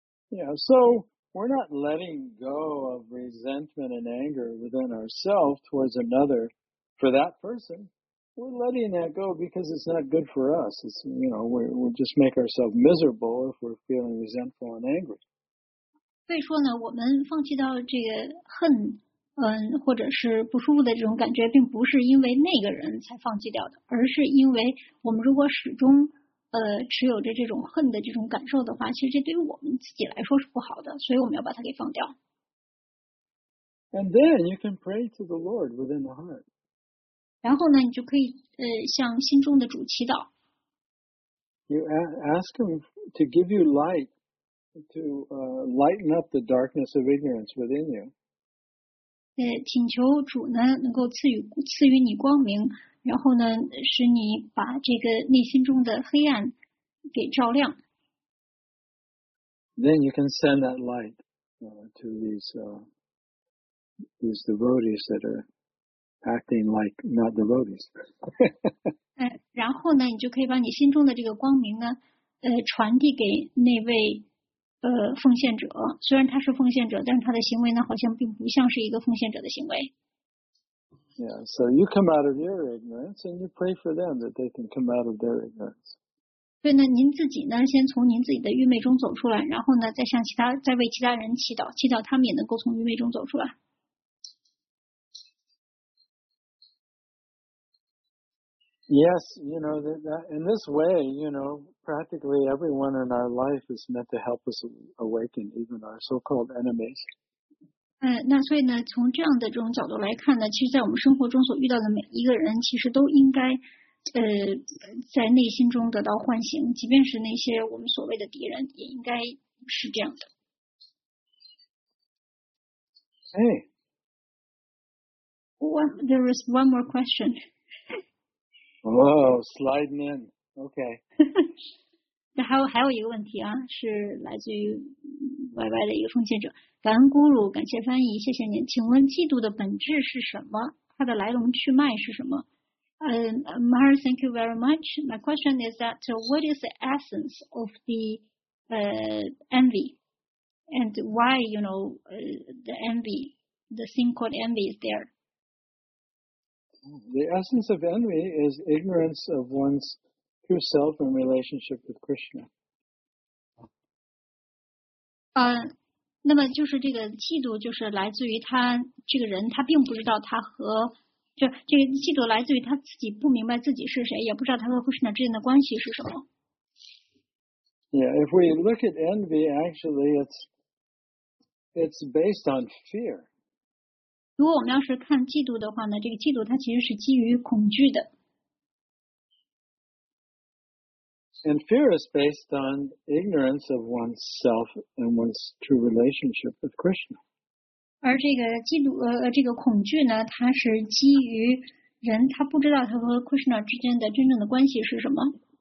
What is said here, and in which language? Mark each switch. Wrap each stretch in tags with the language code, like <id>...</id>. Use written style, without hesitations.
<en>Yeah, so we're not letting go of resentment and anger within ourselves towards another for that person. We're letting that go because it's not good for us. It's, you know, we just make ourselves miserable if we're feeling resentful and angry.</en> <zh>所以说呢，我们放弃到这个恨，或者是不舒服的这种感觉，并不是因为那个人才放弃掉的，而是因为我们如果始终持有着这种恨的这种感受的话，其实这对于我们自己来说是不好的，所以我们要把它给放掉。</zh> <en>And then you can pray to the Lord within the heart.</en> <zh>然后呢，你就可以向心中的主祈祷。</zh> <en>You ask him to give you light, to lighten up the darkness of ignorance within you.</en> <zh>请求主呢能够赐予你光明。然后呢，使你把这个内心中的黑暗给照亮。</zh> <en>Then you can send that light to these devotees that are acting like not devotees.</en> <zh>然后呢，你就可以把你心中的这个光明呢，传递给那位奉献者。虽然他是奉献者，但是他的行为呢，好像并不像是一个奉献者的行为。</zh> <en>Yeah, so you come out of your ignorance and you pray for them that they can come out of their ignorance.</en> <zh>对呢，您自己呢，先从您自己的愚昧中走出来，然后呢，再为其他人祈祷，祈祷他们也能够从愚昧中走出来。</zh> <en>Yes, you know, that in this way, you know, practically everyone in our life is meant to help us awaken, even our so-called enemies.</en> <zh>那所以呢，从这样的这种角度来看呢，其实在我们生活中所遇到的每一个人，其实都应该在内心中得到唤醒，即便是那些我们所谓的敌人，也应该是这样的。</zh> <en>Hey. There is one more question. Oh, sliding in. Okay.</en> <zh>还有一个问题啊，是来自于 YY 的一个奉献者。感恩咕噜，感谢翻译，谢谢您。请问嫉妒的本质是什么？它的来龙去脉是什么？</zh> <en>Mahar, thank you very much. My question is that what is the essence of the envy? And why, you know, the envy, the thing called envy is there? The essence of envy is ignorance of one's true self in relationship with Krishna.</en> <zh>那么就是这个嫉妒，就是来自于他这个人，他并不知道他和就这个嫉妒来自于他自己不明白自己是谁，也不知道他和菩萨之间的关系是什么。</zh> <en>Yeah, if we look at envy, actually, it's based on fear.</en> <zh>如果我们要是看嫉妒的话呢，这个嫉妒它其实是基于恐惧的。</zh> <en>And fear is based on ignorance of one's self and one's true relationship with Krishna.</en> <zh>而这个嫉妒这个恐惧呢，它是基于人他不知道他和 Krishna 之间的真正的关系是什么。</zh>